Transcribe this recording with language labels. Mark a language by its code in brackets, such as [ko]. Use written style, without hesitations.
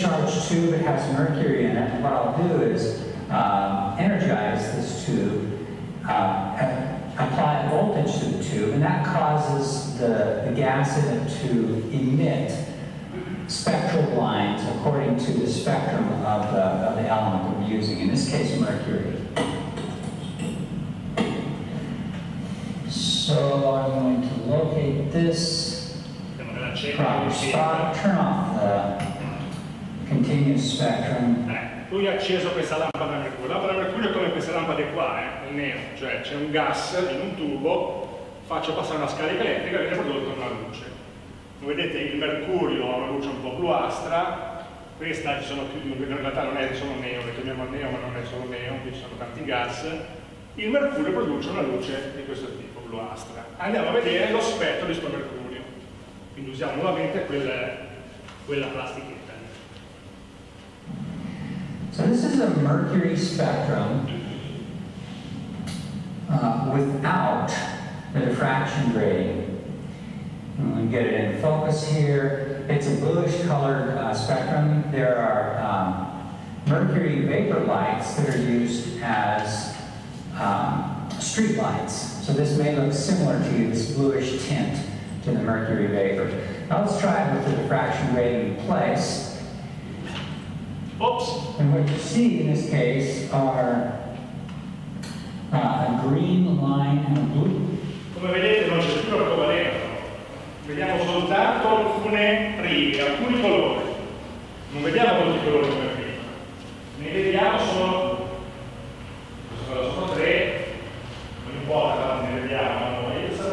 [en] discharge tube, it has mercury in it. What I'll do is energize this tube, apply a voltage to the tube, and that causes the gas in it to emit spectral lines according to the spectrum of the element that we're using, in this case, mercury. So I'm going to locate this proper spot, turn off the continuous spectrum. [it] Lui ha acceso questa lampada mercurio. La lampada mercurio è come queste lampade qua, nero, cioè c'è un gas in un tubo, faccio passare una scarica elettrica e viene prodotta una luce. Come vedete il mercurio ha una luce un po' bluastra, questa ci sono più, in realtà non è solo neon, le chiamiamo neon ma non è solo neon, qui ci sono tanti gas. Il mercurio produce una luce di questo tipo, bluastra. Andiamo a vedere lo spettro di questo mercurio. Quindi usiamo nuovamente quella plastichetta. [en] So this is a mercury spectrum without the diffraction grating. I'm going to get it in focus here. It's a bluish colored spectrum. There are mercury vapor lights that are used as street lights. So this may look similar to you, this bluish tint to the mercury vapor. Now let's try it with the diffraction grating in place. Oops. And what you see in this case are a green line and a blue. [it] Come vedete non c'è più la covalenza. Vediamo soltanto alcune righe, alcuni colori. Non vediamo molti colori come prima. Ne vediamo sono tre, non importa, ne vediamo noi.